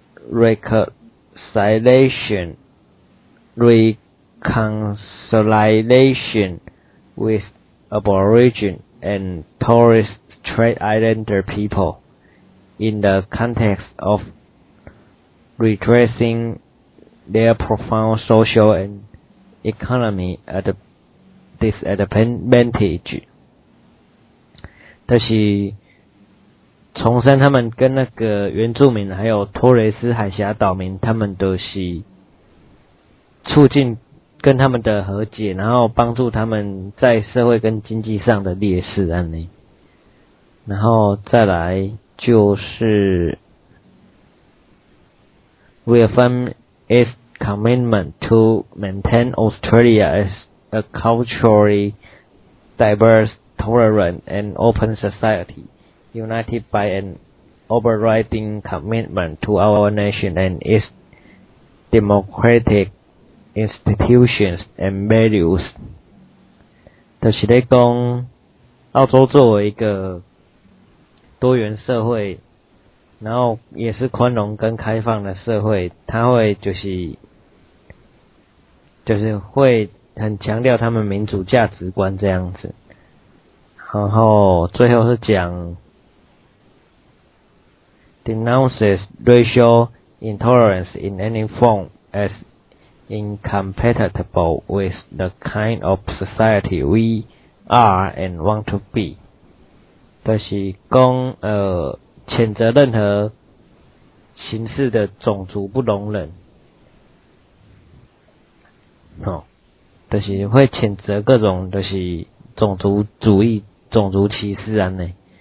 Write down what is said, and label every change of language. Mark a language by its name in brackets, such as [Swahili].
[English] reconciliation with Aboriginal and Torres Strait Islander people in the context of redressing their profound social and economy at a disadvantage。 [Chinese] 就是重申他们跟那个原住民还有托雷斯海峡岛民，他们都是促进跟他们的和解，然后帮助他们在社会跟经济上的劣势案例。然后再来就是 [English] reaffirm its commitment to maintain Australia as a culturally diverse, tolerant and open society, united by an overriding commitment to our nation and its democraticinstitutions and values。 [Chinese] 就是在说澳洲作为一个多元社会，然后也是宽容跟开放的社会，他会就是会很强调他们民主价值观这样子。然后最后是讲 [English] denounces racial intolerance in any form as incompatible with the kind of society we are and want to be. [Chinese] 就是讲谴责任何形式的种族不容忍。哦，就是会谴责各种就是种族主义、种族歧视啊呢。